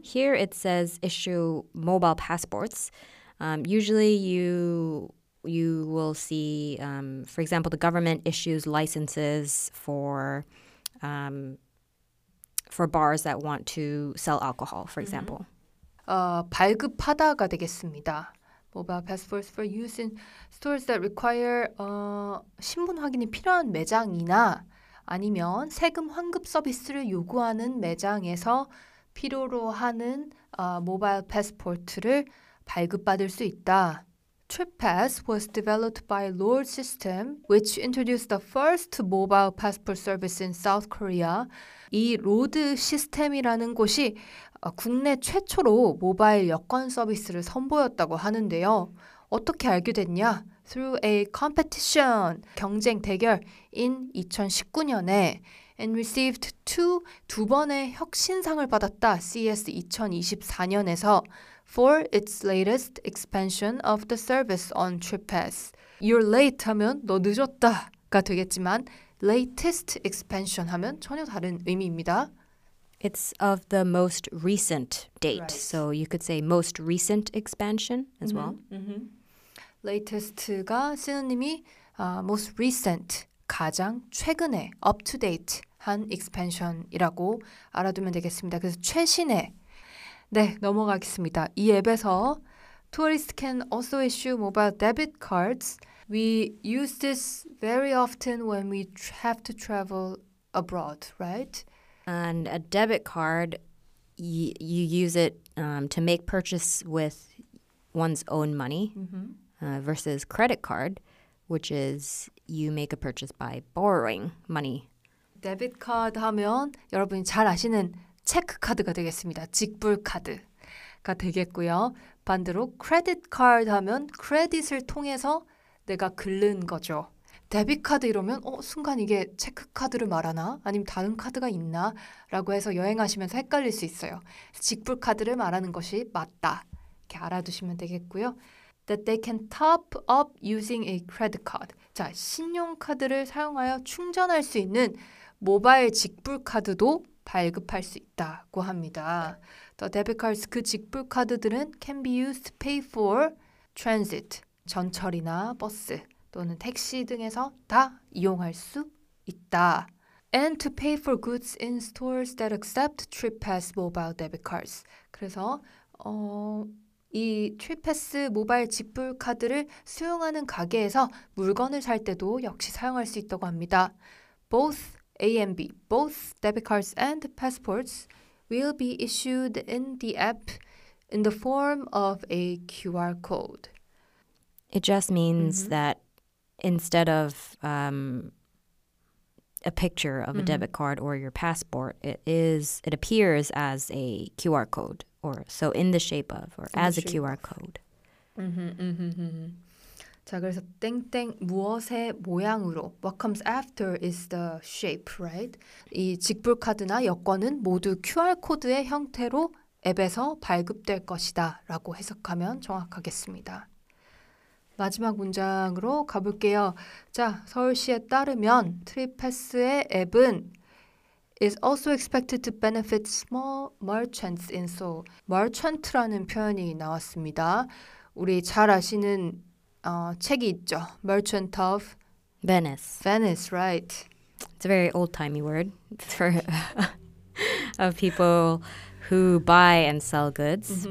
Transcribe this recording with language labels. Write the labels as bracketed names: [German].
[English] Here it says issue mobile passports. Usually you you will see, for example, the government issues licenses for bars that want to sell alcohol, for example. Mm-hmm. [Korean] 발급하다가 되겠습니다. [English] Mobile passports for use in stores that require [Korean] 신분 확인이 필요한 매장이나 아니면 세금 환급 서비스를 요구하는 매장에서 필요로 하는 모바일 패스포트를 발급받을 수 있다. [English] TripPass was developed by Lord System, which introduced the first mobile passport service in South Korea. [Korean] 이 로드 시스템이라는 곳이 국내 최초로 모바일 여권 서비스를 선보였다고 하는데요. 어떻게 알게 됐냐? [English] Through a competition, [Korean] 경쟁 대결 in 2019년에 [English] and received two [Korean] 번의 혁신상을 받았다. [English] CES [Korean] 2024년에서 [English] for its latest expansion of the service on TripPass. You're late [Korean] 하면 너 늦었다가 되겠지만 [English] latest expansion [Korean] 하면 전혀 다른 의미입니다. [English] It's of the most recent date. Right. So you could say most recent expansion as mm-hmm. well. [Korean] Mm-hmm. Latest가 synonym이 [English] most recent, [Korean] 가장 최근에, [English] up to date [Korean] 한 expansion이라고 알아두면 되겠습니다. 그래서 최신에 네, 넘어가겠습니다. 이 앱에서 [English] tourists can also issue mobile debit cards. We use this very often when we have to travel abroad, right? And a debit card, you use it to make purchase with one's own money mm-hmm. Versus credit card, which is you make a purchase by borrowing money. [Korean] Debit card 하면 여러분이 잘 아시는 체크 카드가 되겠습니다. 직불 카드가 되겠고요. 반대로 credit card 하면 credit을 통해서 내가 긁는 거죠. 데뷔카드 이러면 순간 이게 체크카드를 말하나? 아니면 다른 카드가 있나? 라고 해서 여행하시면서 헷갈릴 수 있어요. 직불카드를 말하는 것이 맞다. 이렇게 알아두시면 되겠고요. [English] That they can top up using a credit card. [Korean] 자, 신용카드를 사용하여 충전할 수 있는 모바일 직불카드도 발급할 수 있다고 합니다. [English] The debit cards, [Korean] 그 직불카드들은 [English] can be used to pay for transit, [Korean] 전철이나 버스. 또는 택시 등에서 다 이용할 수 있다. [English] And to pay for goods in stores that accept TripPass mobile debit cards. [Korean] 그래서 이 TripPass 모바일 직불 카드를 수용하는 가게에서 물건을 살 때도 역시 사용할 수 있다고 합니다. [English] Both A and B, both debit cards and passports will be issued in the app in the form of a QR code. It just means mm-hmm. that instead of a picture of mm-hmm. a debit card or your passport, it appears as a QR code, or so in the shape of, or in as a QR code. Mm-hmm, mm-hmm, mm-hmm. [Korean] 자, 그래서 땡땡 무엇의 모양으로, [English] what comes after is the shape, right? [Korean] 이 직불 카드나 여권은 모두 QR 코드의 형태로 앱에서 발급될 것이다 라고 해석하면 정확하겠습니다. 마지막 문장으로 가볼게요. 자, 서울시에 따르면 트립패스의 앱은 [English] is also expected to benefit small merchants in Seoul. [Korean] Merchant라는 표현이 나왔습니다. 우리 잘 아시는 책이 있죠. [English] Merchant of Venice. Venice, right. It's a very old-timey word for of people who buy and sell goods, mm-hmm.